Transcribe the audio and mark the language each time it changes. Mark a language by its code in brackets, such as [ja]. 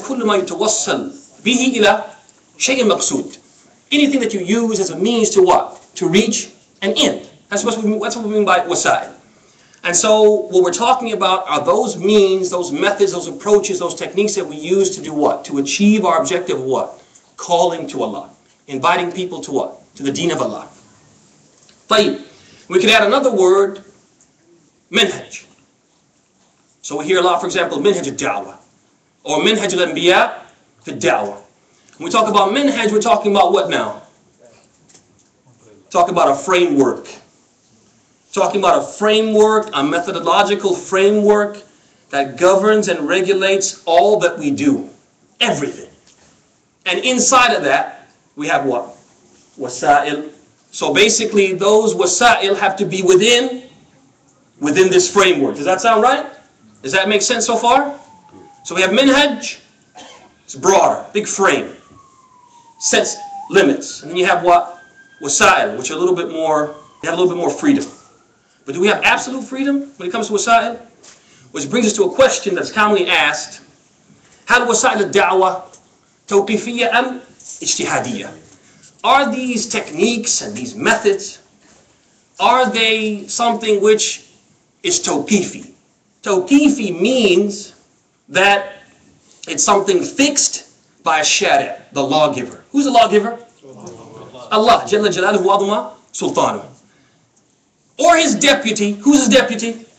[ar] كل ما يتوصل به إلى شيء مقصود. [en] Anything that you use as a means to what? To reach an end. That's what we mean by wasa'il. And so what we're talking about are those means, those methods, those approaches, those techniques that we use to do what? To achieve our objective of what? Calling to Allah. Inviting people to what? To the deen of Allah. طيب. We could add another word, منهج. So we hear a lot, for example, [ar] منهج الدعوة. Or منهج الأنبياء في الدعوة. [en] When we talk about منهج, we're talking about what now? Talk about a framework. Talking about a framework, a methodological framework that governs and regulates all that we do. Everything. And inside of that, we have what? Wasa'il. So basically, those wasa'il have to be within this framework. Does that sound right? Does that make sense so far? So we have minhaj, it's broader, big frame, sets limits. And then you have what? Wasa'il, which are a little bit more, they have a little bit more freedom. But do we have absolute freedom when it comes to wasa'il? Which brings us to a question that's commonly asked. [ar] هل وسائل الدعوة توقيفية أم اجتهادية? [en] Are these techniques and these methods, are they something which is توقيفي? توقيفي means that it's something fixed by a shari'ah, the lawgiver. Who's the lawgiver? Allah. [ar] Jalla Jalaluhu wa Adhamah Sultanu. [en] Or his deputy. Who's his deputy?